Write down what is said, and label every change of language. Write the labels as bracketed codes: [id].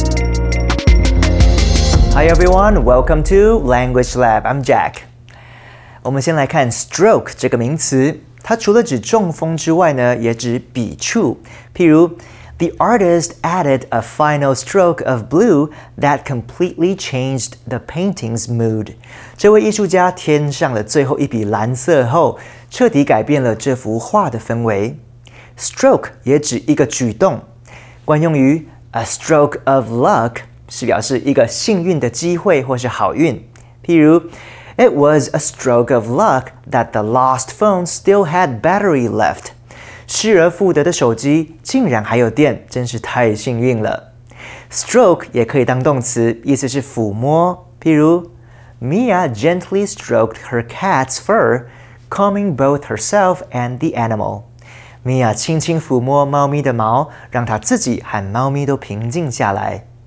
[en] Hi everyone, welcome to Language Lab, I'm Jack. [zh] 我们先来看 stroke 这个名词，它除了指中风之外呢，也指笔触。譬如 ， [en] The artist added a final stroke of blue that completely changed the painting's mood. [zh] 这位艺术家添上了最后一笔蓝色后，彻底改变了这幅画的氛围。 Stroke 也指一个举动，惯用于 [en] a stroke of luck [zh] 是表示一个幸运的机会或是好运。譬如。 [en] It was a stroke of luck that the lost phone still had battery left. [zh] 失而复得的手机竟然还有电，真是太幸运了。 Stroke 也可以当动词，意思是抚摸。譬如 ， [en] Mia gently stroked her cat's fur, calming both herself and the animal. [zh] Mia 轻轻抚摸猫咪的毛，让她自己和猫咪都平静下来。